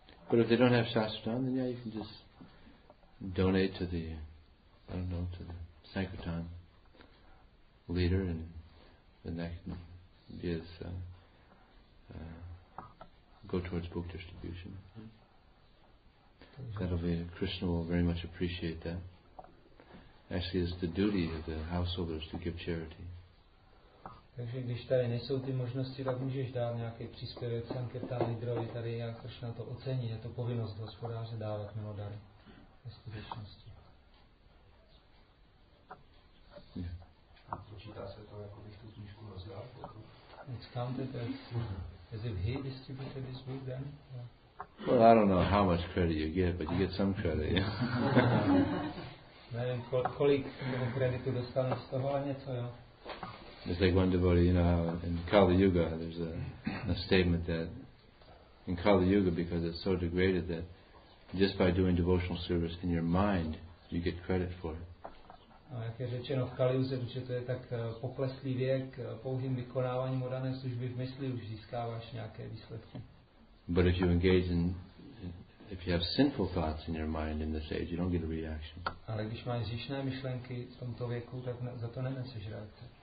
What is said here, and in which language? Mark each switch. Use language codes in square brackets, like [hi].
[en] But if they don't have shastra, then yeah, you can just donate to the, to the Sankirtan leader, and then that can be as, go towards book distribution. That'll be, Krishna will very much appreciate that. Actually, it's the duty of the householders to give charity. [cs] Takže když tady nejsou ty možnosti, tak můžeš dát nějaký příspěvek Sankirtan lídrovi tady, a Krishna to ocení, je to povinnost hospodáře dávat milodary ve skutečnosti. [en] It's counted as if he distributed his book then? Yeah. Well, I don't know how much credit you get, but you get some credit, yeah. [cs] Nevím, kolik kreditu dostanu z toho a něco, jo. [en] It's like one devotee, you know how in Kali Yuga there's a statement that in Kali Yuga, because it's so degraded, that just by doing devotional service in your mind you get credit for it. [cs] A jak je řečeno v Kali Yuze, že to je tak pokleslý věk, pouhým vykonáváním odané služby v mysli už získáváš nějaké výsledky. [en] But if you engage in, if you have sinful thoughts in your mind in this age, you don't get a reaction. [cs] Ale když máš hříšné myšlenky v tomto věku, tak za to neneseš reakce.